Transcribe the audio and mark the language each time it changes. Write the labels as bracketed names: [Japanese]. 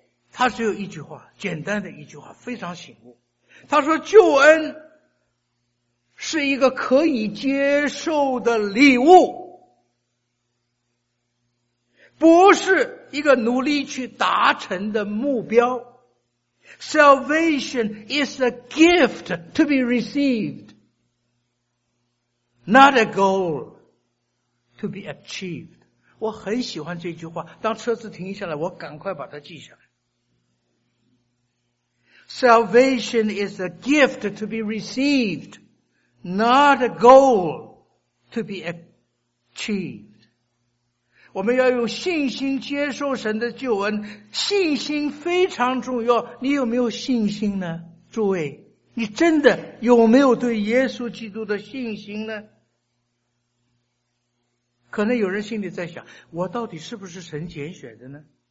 [Chinese] 他只有一句话，简单的一句话，非常醒悟。他说，救恩是一个可以接受的礼物，不是一个努力去达成的目标。 [English] Salvation is a gift to be received, not a goal to be achieved。 [Chinese] 我很喜欢这句话，当车子停下来，我赶快把它记下来。 [English] Salvation is a gift to be received, not a goal to be achieved。 [Chinese] 我们要用信心接受神的救恩，信心非常重要。你有没有信心呢？诸位，你真的有没有对耶稣基督的信心呢？可能有人心里在想，我到底是不是神拣选的呢？